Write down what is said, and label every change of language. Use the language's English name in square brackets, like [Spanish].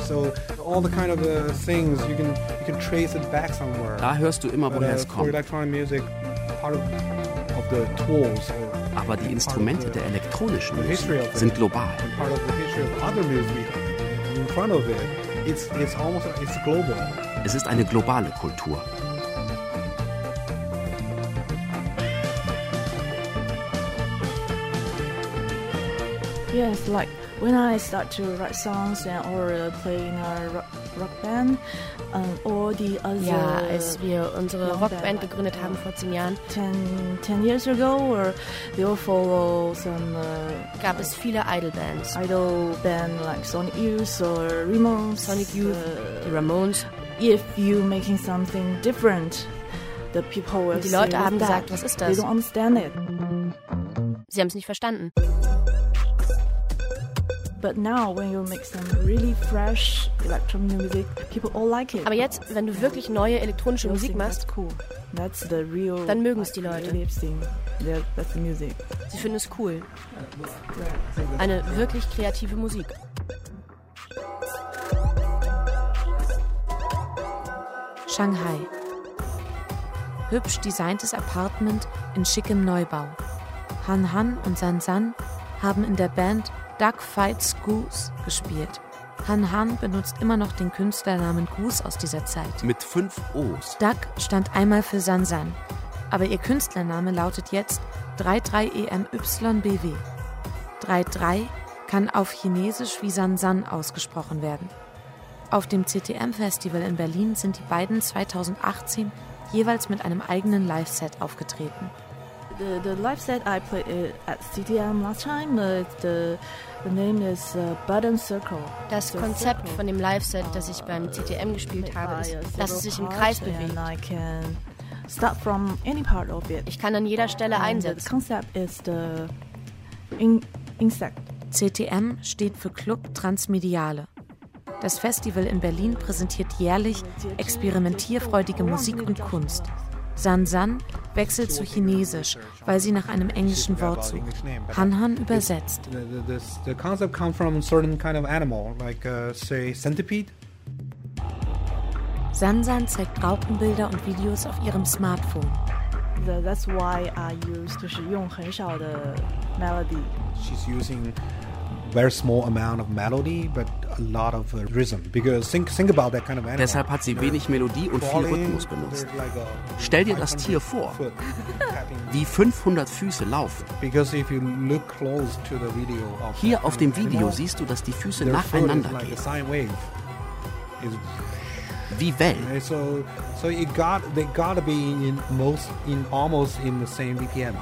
[English] So all the kind of things you can trace it back somewhere. [German] Da hörst du immer, woher es kommt. [English] Electronic music, part of the tools. [German] Aber die Instrumente der elektronischen Musik sind global. [English] Part of the history of other music in front of it. It's almost global. [German] Es ist eine globale Kultur. [English] Yes, like. When I start to write songs and or play in a rock band, or the other. [German] Ja, als wir unsere Rockband gegründet haben vor 10 Jahren. [English] 10 years ago, or they all follow some. [German] Gab es viele Idol-Bands. [English] Idol-Band like Sonic Youth or Ramones. Sonic Youth, the Ramones. If you making something different, the people will. [German] Die Leute haben gesagt, was ist das? [English] They don't understand it. [German] Sie haben es nicht verstanden. [English] But now when you make some really fresh electronic music, people all like it. [German] Aber jetzt, wenn du wirklich neue elektronische Musik machst, [English] cool. That's the real, [German] dann mögen es die Leute. [English] That's the music. [German] Sie finden es cool. Eine wirklich kreative Musik. Shanghai. Hübsch designtes Apartment in schickem Neubau. Han Han und San San haben in der Band Duck Fights Goose gespielt. Han Han benutzt immer noch den Künstlernamen Goose aus dieser Zeit. Mit 5 O's. Duck stand einmal für San San. Aber ihr Künstlername lautet jetzt 33EMYBW. 33 kann auf Chinesisch wie San San ausgesprochen werden. Auf dem CTM-Festival in Berlin sind die beiden 2018 jeweils mit einem eigenen Live-Set aufgetreten. [English] The live set I played at CTM last time, the name is Button Circle. [German] Das Konzept von dem Live-Set, das ich beim CTM gespielt habe, ist, dass es sich im Kreis bewegt. [English] I can start from any part of it. [German] Ich kann an jeder Stelle einsetzen. [English] The concept is the insect. [German] CTM steht für Club Transmediale. Das Festival in Berlin präsentiert jährlich experimentierfreudige Musik und Kunst. San San wechselt zu Chinesisch, weil sie nach einem englischen Wort sucht. Han Han übersetzt. [English] The concept comes from a certain kind of animal, like say centipede. [German] San San zeigt Raupenbilder und Videos auf ihrem Smartphone. [English] That's why I use the [Chinese] Shi Yong Hen Shao [English] the melody. She's using very small amount of melody, but a lot of rhythm. Because think about that kind of animal. [German] Deshalb hat sie wenig Melodie und viel Rhythmus benutzt. Stell dir das Tier vor, wie 500 Füße laufen. [English] Because if you look close to the video of [German] hier auf dem Video animal, siehst du, dass die Füße nacheinander [English] like [German] gehen. [English] A sine wave. [German] Wie Wellen. [English] Okay, so it got, they got to be in most in almost in the same BPM.